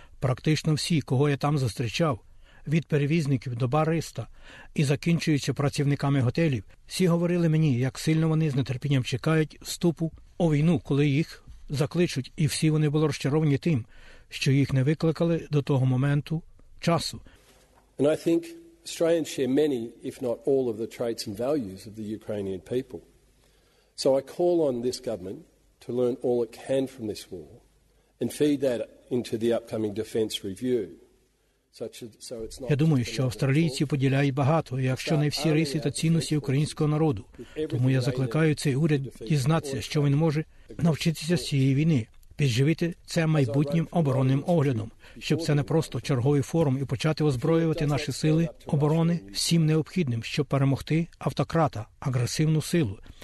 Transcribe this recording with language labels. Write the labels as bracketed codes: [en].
[uk] Практично всі, кого я там зустрічав, від перевізників до бариста і закінчуючи працівниками готелів, всі говорили мені, як сильно вони з нетерпінням чекають вступу у війну, коли їх закличуть, і всі вони були розчаровані тим, що їх не викликали до того моменту часу. [en] And I think Australians share many, if not all, of the traits and values of the Ukrainian people. So I call on this government to learn all it can from this war and feed that into the upcoming defence review. [uk] Я думаю, що австралійці поділяють багато, якщо не всі риси та цінності українського народу. Тому я закликаю цей уряд дізнатися, що він може навчитися з цієї війни. Підживити це майбутнім оборонним оглядом, щоб це не просто черговий форум, і почати озброювати наші сили оборони всім необхідним, щоб перемогти автократа, агресивну силу.